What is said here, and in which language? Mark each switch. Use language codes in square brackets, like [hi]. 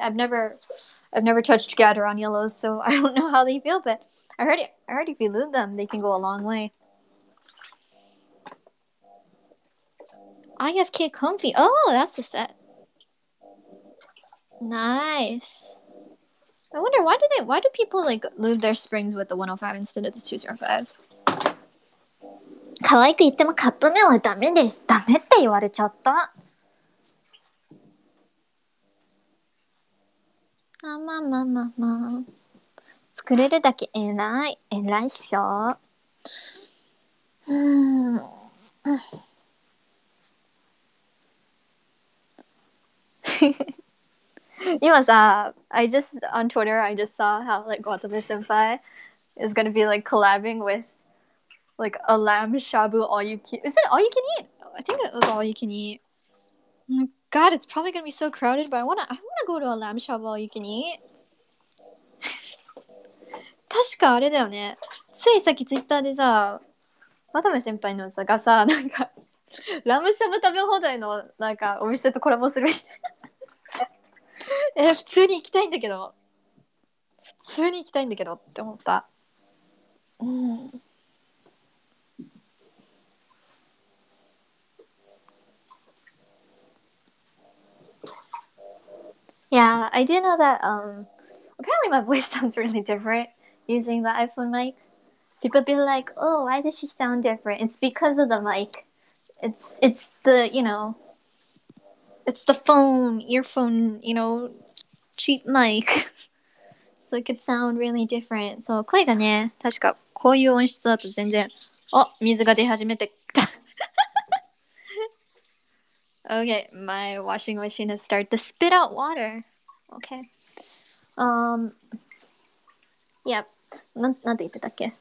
[en] I've never touched Gateron yellows, so I don't know how they feel, but I heard if you lube them, they can go a long way. IFK comfy. Oh, that's a set. Nice. I wonder why do people like lube their springs with the 105 instead of the 205? [ja] かわいく言ってもカップ麺はダメです。ダメって言われちゃった。あ、まあまあまあまあ。作れるだけ偉い。偉いっしょ。うん。今さ、 [en] I just, on Twitter, I just saw how, like, Watabe Senpai is gonna be, like, collabing withLike a lamb shabu, all you can eat. Is it all you can eat? I think it was all you can eat. God, it's probably gonna be so crowded, but I wanna go to a lamb shabu all you can eat. [ja] 確かあれだよね。ついさっきツイッターでさ、渡部先輩のさがさ、なんか、ラムシャブ食べ放題のなんかお店とコラボするみたいな。え、普通に行きたいんだけど。普通に行きたいんだけどって思った。うん。 [en] Yeah, I do know that, apparently my voice sounds really different using the iPhone mic. People be like, oh, why does she sound different? It's because of the mic. It's the phone, earphone, you know, cheap mic. So it could sound really different. [ja] So, 声がね、確かこういう音質だと全然、お、水が出始めてきた。 [en] Okay, my washing machine has started to spit out water. Okay. [ja] Yep. なんて言ってたっけ？